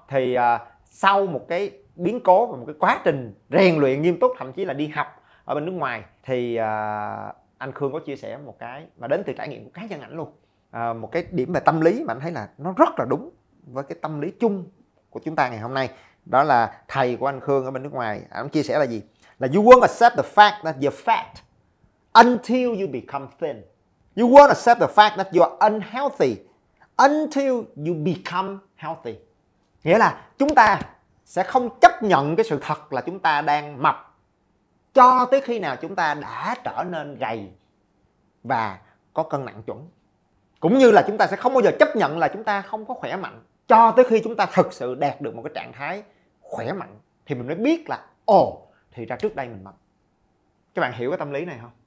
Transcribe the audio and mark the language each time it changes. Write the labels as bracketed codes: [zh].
[vi] Thì sau một cái biến cố và một cái quá trình rèn luyện nghiêm túc, thậm chí là đi học ở bên nước ngoài, thì anh Khương có chia sẻ một cái mà đến từ trải nghiệm của cá nhân ảnh luôn. Một cái điểm về tâm lý mà anh thấy là nó rất là đúng với cái tâm lý chung của chúng ta ngày hôm nay. Đó là thầy của anh Khương ở bên nước ngoài, anh chia sẻ là gì? Là [en] you won't accept the fact that you're fat until you become thin. You won't accept the fact that you're unhealthy until you become healthy. [vi] Nghĩa là chúng ta sẽ không chấp nhận cái sự thật là chúng ta đang mập cho tới khi nào chúng ta đã trở nên gầy và có cân nặng chuẩn. Cũng như là chúng ta sẽ không bao giờ chấp nhận là chúng ta không có khỏe mạnh cho tới khi chúng ta thực sự đạt được một cái trạng thái khỏe mạnh, thì mình mới biết là ồ, thì ra trước đây mình mập. Các bạn hiểu cái tâm lý này không?